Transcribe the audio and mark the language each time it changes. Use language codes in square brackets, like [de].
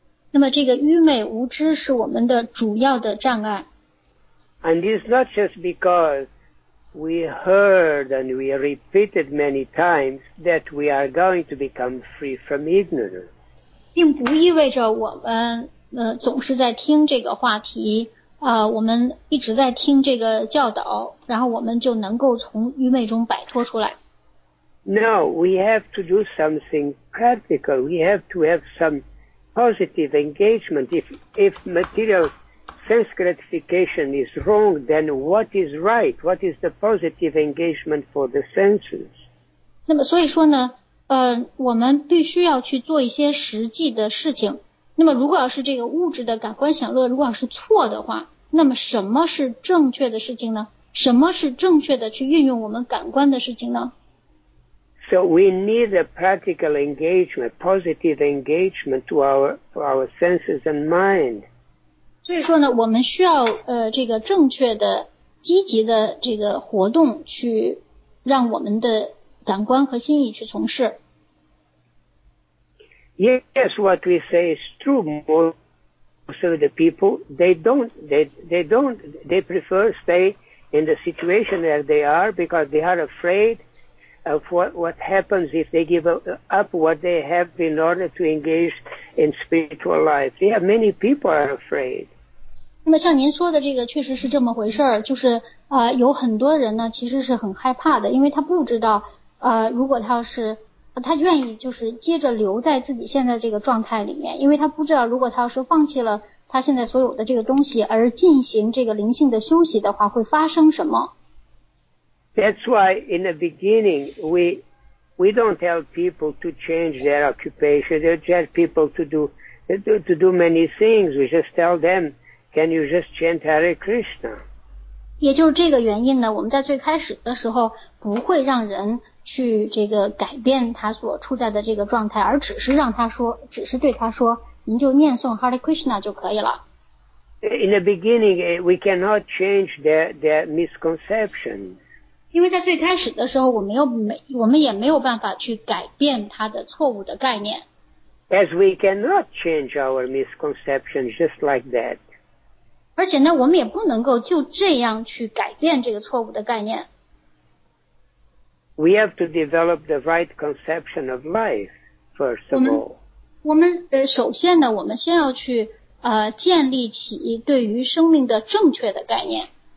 [zh] 那么这个愚昧无知是我们的主要的障碍。 [en] And it's not just because we heard and we repeated many times that we are going to become free from ignorance. [zh] 并不意味着我们总是在听这个话题我们一直在听这个教导，然后我们就能够从愚昧中摆脱出来。 [en] No, we have to do something practical. We have to have some positive engagement. If material sense gratification is wrong, then what is right? What is the positive engagement for the senses? [zh] 那么所以说呢我们必须要去做一些实际的事情。那么如果要是这个物质的感官享乐如果要是错的话，那么什么是正确的事情呢？什么是正确的去运用我们感官的事情呢？ [en] So we need a practical engagement, positive engagement to our senses and mind. [zh] 所以说呢我们需要这个正确的积极的这个活动去让我们的感官和心意去从事。 [en] Yes, what we say is true. Most of the people, they prefer stay in the situation that they are because they are afraid of what happens if they give up what they have in order to engage in spiritual life. Yeah, many people are afraid. [zh] 那么像您说的这个确实是这么回事，就是有很多人呢其实是很害怕的，因为他不知道如果他要是他愿意就是接着留在自己现在这个状态里面，因为他不知道如果他要是放弃了他现在所有的这个东西而进行这个灵性的休息的话会发生什么。 [en] That's why in the beginning we don't tell people to change their occupation. They tell people to do many things. We just tell them, can you just chant Hare Krishna? [zh] 也就是这个原因呢，我们在最开始的时候不会让人去这个改变他所处在的这个状态，而只是让他说，只是对他说，您就念诵 Hare Krishna 就可以了。 [en] In the beginning, we cannot change their misconceptions. [zh] 因为在最开始的时候，我们也没有办法去改变他的错误的概念。 [en] As we cannot change our misconceptions just like that. [zh] 而且呢，我们也不能够就这样去改变这个错误的概念。 [en] We have to develop the right conception of life, first of all. [zh] 我们首先呢，我们先要去建立起对于生命的正确的概念。